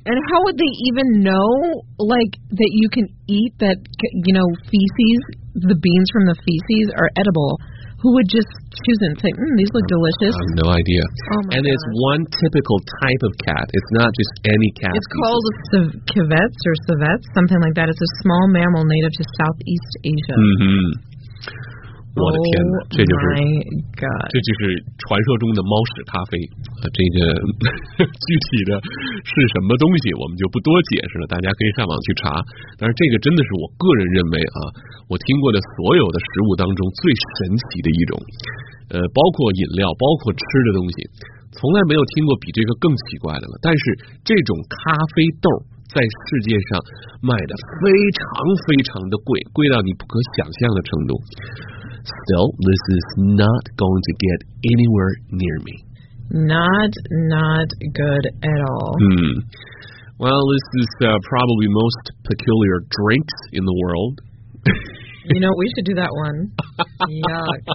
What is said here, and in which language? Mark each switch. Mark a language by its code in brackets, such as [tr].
[en] And how would they even know, like, that you can eat that, you know, feces, the beans from the feces are edible? Who would just choose it and say, these look delicious? I have no idea. Oh my gosh. It's one typical type of cat. It's not just any cat. It's called civets or civets, something like that. It's a small mammal native to Southeast Asia. [zh] Mm-hmm. 我的天，这就是、 [en] oh、my God， [zh] 这就是传说中的猫屎咖啡。这个具体的是什么东西，我们就不多解释了，大家可以上网去查。但是这个真的是我个人认为啊，我听过的所有的食物当中最神奇的一种，包括饮料，包括吃的东西，从来没有听过比这个更奇怪的了。但是这种咖啡豆在世界上卖的非常非常的贵，贵到你不可想象的程度。 [en] So, this is not going to get anywhere near me. Not good at all. Hmm. Well, this is probably most peculiar drinks in the world. You know, we should do that one. Yuck.